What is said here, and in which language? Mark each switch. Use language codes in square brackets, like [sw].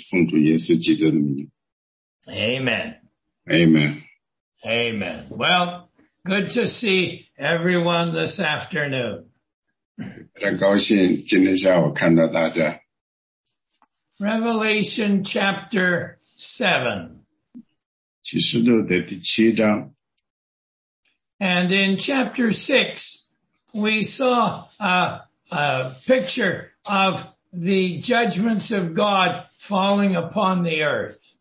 [zh] 也请你指导我们的谈话和指导我们的学习,我们的祷告和感恩是奉主耶稣基督的名。Amen. [en] Amen. Amen. Well, good to see everyone this afternoon. [zh] 非常高兴今天下午看到大家。Revelation [en] chapter 7. [zh] 启示录的第七章。And [en] in chapter 6, we saw a picture of the judgments of God falling upon the earth.